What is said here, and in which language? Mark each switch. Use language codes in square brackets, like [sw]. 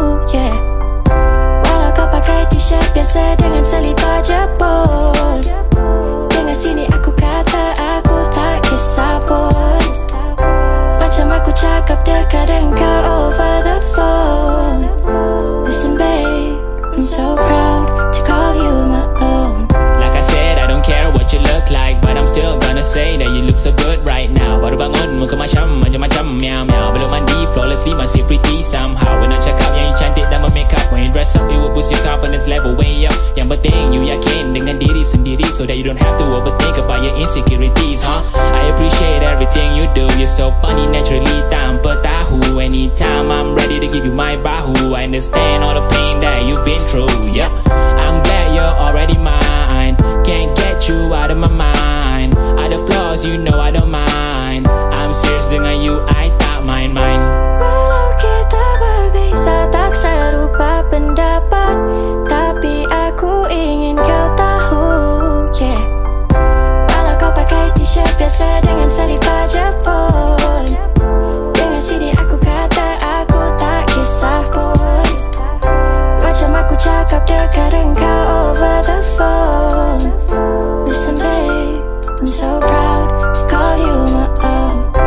[ms] Yeah. Walau kau pakai t-shirt biasa dengan selipar Jepun, dengar sini aku kata aku tak kisah pun. Macam aku cakap dekat dengan kau [en] over the phone. Listen babe, I'm so proud to call you my own. Like I said, I don't care what you look like, but I'm still gonna say that you look so good right now. [ms] Baru bangun, muka macam macam-macam, meow meow. Belum mandi, flawlessly, masih pretty somehow. [en] When I check up, yang you [ms] cantik dan bermakeup. [en] When you dress up, it will boost your confidence level way up. [ms] Yang penting, [en] you [ms] yakin dengan diri sendiri, [en] so that you don't have to overthink about your insecurities, huh? I appreciate everything you do. You're so funny, naturally, [ms] tanpa tahu. [en] Anytime, I'm ready to give you my bahu. I understand all the pain that you've been through, yep. I'm glad you're already mine. Can't get you out of my mind. Other flaws, you know I don't mind. I'm serious dengan you, I thought mind. [ms] Walau kita berbisa tak serupa pendapat, tapi aku ingin kau tahu, yeah. Walau kau pakai t-shirt biasa dengan selipar Jepun, dengan sini aku kata aku tak kisah pun. Macam aku cakap dekat dengan kau over the phone. [en] Listen babe, I'm so proud to call you my own.